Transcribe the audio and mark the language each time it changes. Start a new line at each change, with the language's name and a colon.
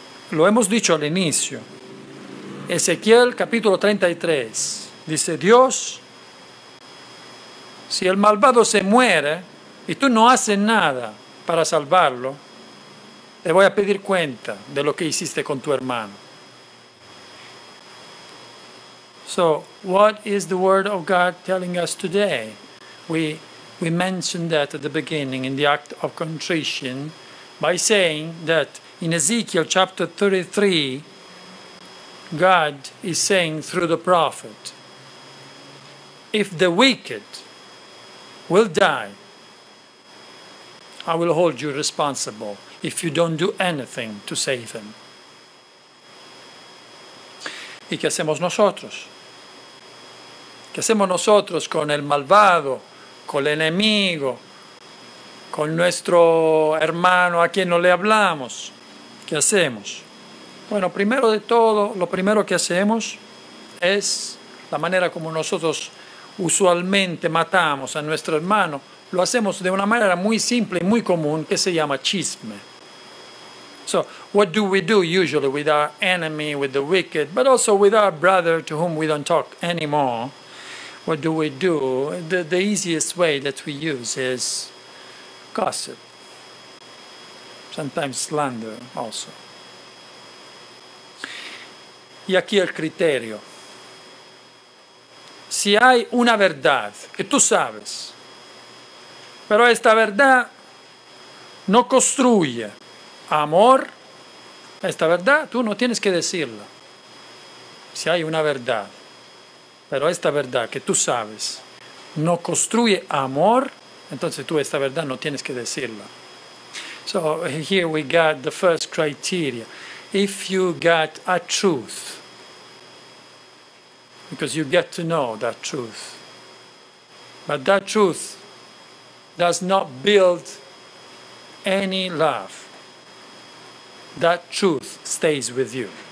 Spanish: Lo hemos dicho al inicio. Ezequiel capítulo 33 dice: Dios, si el malvado se muere y tú no haces nada para salvarlo, te voy a pedir cuenta de lo que hiciste con tu hermano.
English: So, what is the word of God telling us today? We mentioned that at the beginning in the act of contrition by saying that in Ezekiel chapter 33, God is saying through the prophet, if the wicked will die, I will hold you responsible if you don't do anything to save him.
Spanish: ¿Y qué hacemos nosotros? ¿Qué hacemos nosotros con el malvado, con el enemigo, con nuestro hermano a quien no le hablamos? ¿Qué hacemos? Bueno, primero de todo, lo primero que hacemos es la manera como nosotros usualmente matamos a nuestro hermano. Lo hacemos de una manera muy simple y muy común que se llama chisme.
English: So, what do we do usually with our enemy, with the wicked, but also with our brother to whom we don't talk anymore? What do we do? The easiest way that we use is gossip. Sometimes slander also.
Spanish: Y aquí el criterio. Si hay una verdad que tú sabes, pero esta verdad no construye amor, esta verdad tú no tienes que decirla. Si hay una verdad, pero esta verdad que tú sabes no construye amor, entonces tú esta verdad no tienes que decirla.
English: So here we got the first criteria. If you got a truth, because you get to know that truth, but that truth does not build any love, that truth stays with you.